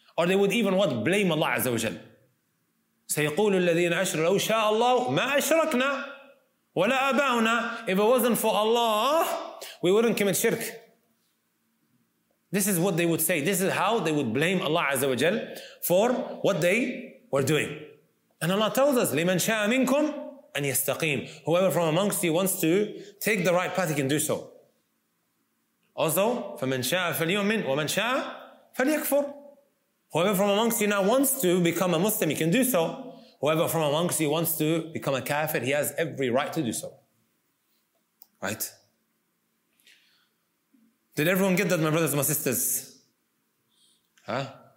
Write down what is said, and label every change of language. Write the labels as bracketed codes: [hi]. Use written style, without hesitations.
[en] Or they would even what? Blame Allah Azza wa Jal. [ar] سَيْقُولُ الَّذِينَ أَشْرَ لَوْ شَاءَ اللَّهُ مَا أَشْرَكْنَا وَلَا أَبَاؤُنَا. [en] If it wasn't for Allah, we wouldn't commit shirk. This is what they would say. This is how they would blame Allah Azza wa Jal for what they were doing. And Allah tells us, [ar] لِمَنْ شَاءَ مِنْكُمْ أَنْ يَسْتَقِيمْ. [en] Whoever from amongst you wants to take the right path, he can do so. Also, [ar] فَمَنْ شَاءَ فَلْيُؤْمِنْ وَمَنْ شَاءَ فَلْيَكْفُرْ. [en] Whoever from amongst you now wants to become a Muslim, he can do so. Whoever from amongst you wants to become a kafir, he has every right to do so. Right? Did everyone get that, my brothers and my sisters? Huh?